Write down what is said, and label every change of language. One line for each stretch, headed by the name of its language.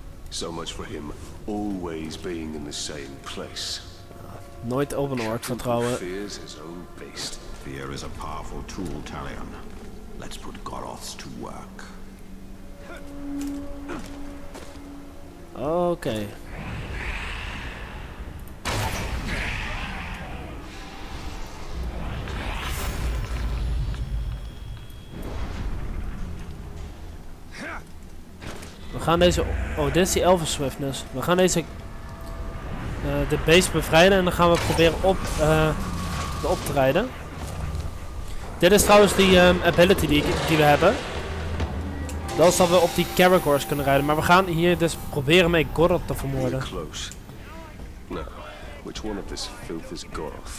English: So much for him always being in the same place.
Dutch: Nooit op een ork vertrouwen.
English: Fears his own beast. Fear is a powerful tool, Talion. Let's put Gorov's to work. Oké. Okay.
Dutch: gaan deze... Oh, dit is die Elven Swiftness. We gaan deze... de beest bevrijden en dan gaan we proberen op te rijden. Dit is trouwens die ability die we hebben. Dat is dat we op die Caragors kunnen rijden. Maar we gaan hier dus proberen mee Goroth te vermoorden.
English: Close. Now, which one of this filth is Goroth?